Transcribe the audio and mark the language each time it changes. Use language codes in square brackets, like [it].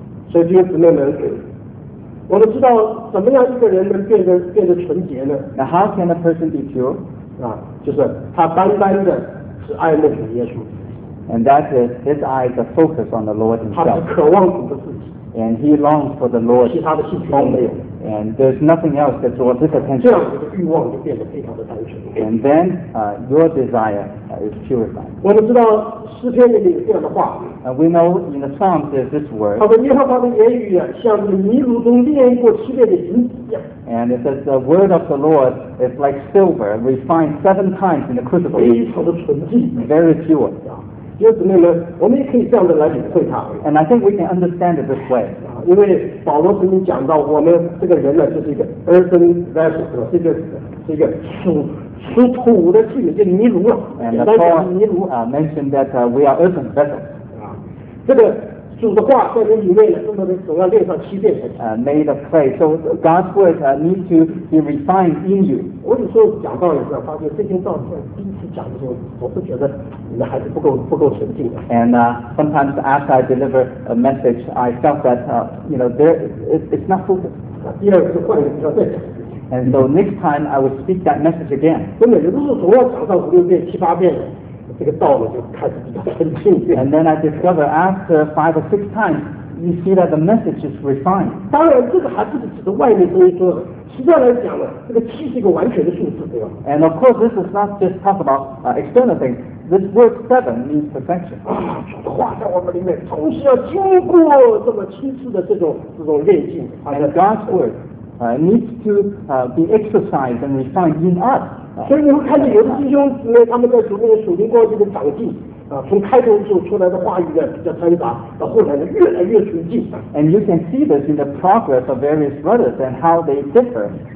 [zh] 所以弟兄姊妹们，我们知道怎么样一个人能变得纯洁呢 [en] ？Now how can a person be pure? [zh] 就是他单单的是爱慕主耶稣。 [en] And that is his eyes are focused on the Lord himself. [zh] 他是渴望主的自己。 [en] And he longs for the Lord. [zh] 其他的兴趣都没有。 [en] And there's nothing else that draws his attention. [zh] 这样你的欲望就变得非常的单纯。 [en] And then your desire is purified. [zh] 我们知道诗篇里面有这样的话。 [en] We know in the Psalms there's this word. [zh] 他说耶和华的言语像泥炉中炼过七炼的银子一样。 [en] And it says the word of the Lord is like silver refined seven times in the crucible. [zh] 非常的纯净。 [en] Very pure. [zh] 弟兄姊妹们，我们也可以这样的来领会它。 [en] And I think we can understand it this way. [zh] 因为保罗曾经讲到，我们这个人呢，就是一个 [en] earthen vessel， [zh] 是一个属土的器皿，就泥炉了。 [en] And Paul mentioned that we are earthen vessel. [zh] 这个主的话在你里面呢，总要练上七遍才行。 [en] Made of clay, so God's word needs to be refined in you. [zh] 我有时候讲道也是，发现这些道在第一次讲的时候，总是觉得你们还是不够纯净的。 [en] And sometimes after I deliver a message, I felt that it's not focused. [zh] 第二次换一个比较对。 [en] And so next time I will speak that message again. [zh] 真的，有的时候总要讲到五六遍、七八遍。这个道呢就开始比较纯净。 [en] And then I discover after 5 or 6 times, you see that the message is refined. [zh] 当然，这个还不是指的外面东西多，实际上来讲呢，这个七是一个完全的数字，对吧 [en] ？And of course, this is not just talk about external things. This word seven means perfection. [zh] 化在我们里面，同时要经过这么七次的这种炼净。 [en] And God's word needs to be exercised and refined in us. [zh] 所以你会看见有的弟兄姊妹他们在主内属灵光景的长进，从开头就出来的话语呢比较掺杂，到后来呢越来越纯净。 [en] And you can see this in the progress of various brothers and how they differ.